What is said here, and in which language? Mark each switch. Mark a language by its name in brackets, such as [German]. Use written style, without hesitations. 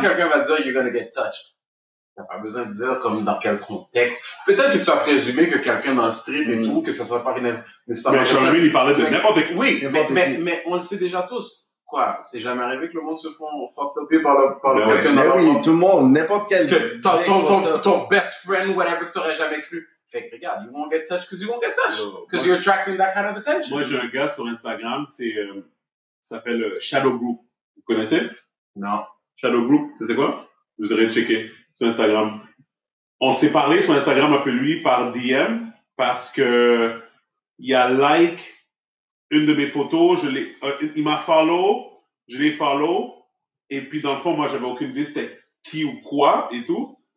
[French] quelqu'un va dire [English] you're gonna get touched, [French] t'as pas besoin de dire comme dans quel contexte. Peut-être que tu as présumé que quelqu'un dans le stream et tout, que ça soit pas nécessairement. Mais Charlie, il parlait de n'importe qui. Oui, mais on le sait déjà tous. Quoi? C'est jamais arrivé que le monde se fasse fuck-upé par quelqu'un dans le stream. Oui, tout le monde, n'importe quel. Ton [English] best friend, [French] whatever, que t'aurais jamais cru. Fait que regarde, [English] you won't get touched because you won't get touched. Because you're attracting that kind of attention. [French] Moi, j'ai un gars sur Instagram, c'est, s'appelle Shadow Group. Vous connaissez? Non. Shadow Group, c'est quoi? Vous aurez checké. Sur Instagram. On s'est parlé sur Instagram un peu lui par DM parce que il a like une de mes photos, il m'a follow, je l'ai follow, et puis dans le fond, moi, j'avais aucune idée c'était qui ou quoi et tout.